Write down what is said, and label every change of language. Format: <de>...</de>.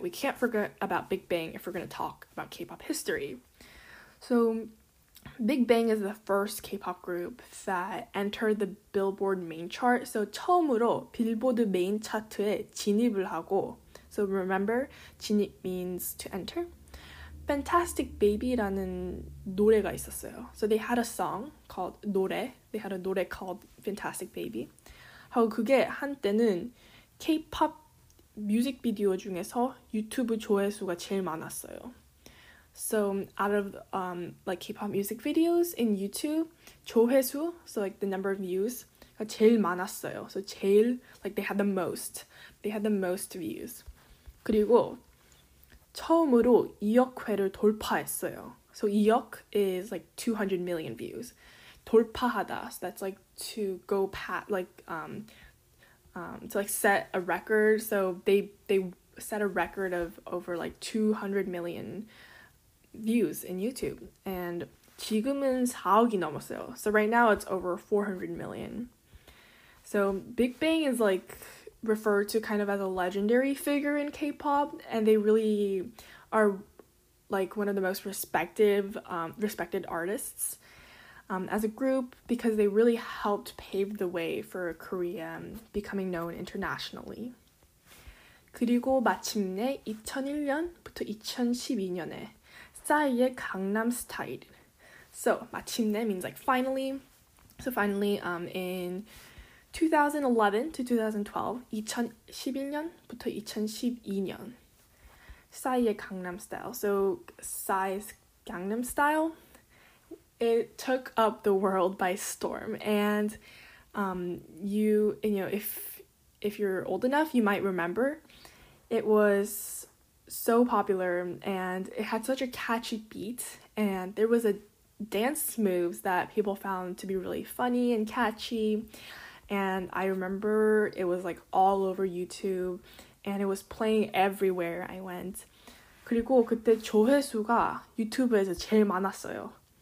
<en>We can't forget about Big Bang if we're going to talk about K-pop history. So Big Bang is the first K-pop group that entered the Billboard main chart.</en> <ko>So 처음으로 빌보드 메인 차트에 진입을 하고.</ko> <en>So remember, 진입 means to enter. Fantastic Baby라는</en> <ko>노래가 있었어요.</ko> <en>So they had a song called 노래. They had a 노래 called Fantastic Baby.</en> <ko>하고 그게 한때는 K-pop 뮤직비디오 중에서 유튜브 조회수가 제일 많았어요.</ko> <en>So out of like K-pop music videos in YouTube, 조회수, so like the number of views,</en> <ko>가 제일 많았어요.</ko> <en>So 제일, like they had the most views.</en> <ko>그리고 처음으로 2억 회를 돌파했어요.</ko> <en>So 2억 is like 200 million views. 돌파하다, so that's like to go past, like, to like set a record, so they set a record of over like 200 million views in YouTube, and</en> <ko>지금은 4억이 넘었어요.</ko> <en>So right now it's over 400 million. So Big Bang is like referred to kind of as a legendary figure in K-pop, and they really are like one of the most respected artists as a group, because they really helped pave the way for Korea becoming known internationally.</en> <ko>그리고 마침내 2001년부터 2012년에 싸이의 강남 스타일.</ko> <en>So 마침내 means like finally. So finally, in 2011 to 2012,</en> <ko>2011년부터 2012년 싸이의 강남 스타일.</ko> <en>So Psy's Gangnam Style. It took up the world by storm, and you know, if you're old enough, you might remember it was so popular, and it had such a catchy beat, and there was a dance moves that people found to be really funny and catchy, and I remember it was like all over YouTube, and it was playing everywhere I went.</en> <ko>그리고 그때 조회수가 유튜브에서 제일 많았어요.</ko>